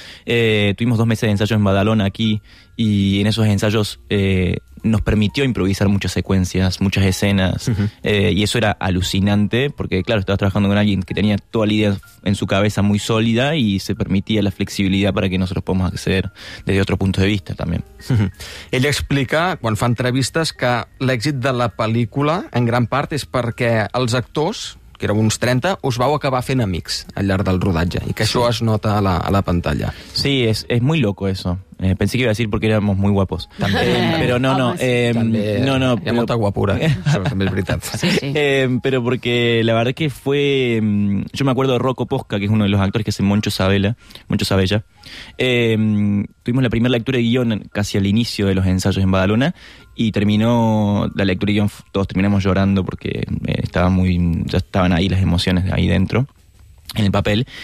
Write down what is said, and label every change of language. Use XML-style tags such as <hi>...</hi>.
<es>Tuvimos 2 meses de ensayo en Badalona aquí, y en esos ensayos nos permitió improvisar muchas secuencias, muchas escenas. Uh-huh. Y eso era alucinante, porque claro, estabas trabajando con alguien que tenía toda la idea en su cabeza muy sólida y se permitía la flexibilidad para que nosotros podamos acceder desde otro punto de vista también. Uh-huh.</es> <ca>Ell explica, quan fa entrevistes, que l'èxit de la pel·lícula en gran part és perquè els actors, que éreu uns 30, us vau acabar fent amics al llarg del rodatge, i que això es nota a la pantalla.</ca> <es>Sí, es muy loco eso. Pensé que iba a decir porque éramos muy guapos. También. Pero no, no. No.</es> <ca>Hi ha molta guapura. También es veritat. Sí.</ca> <es>Pero porque la verdad es que fue... Yo me acuerdo de Rocco Posca, que es uno de los actores que es Moncho Sabella. Tuvimos la primera lectura de guión casi al inicio de los ensayos en Badalona, y terminó la lectura de guión, todos terminamos llorando porque ya estaban ahí las emociones ahí dentro, en el papel.</es>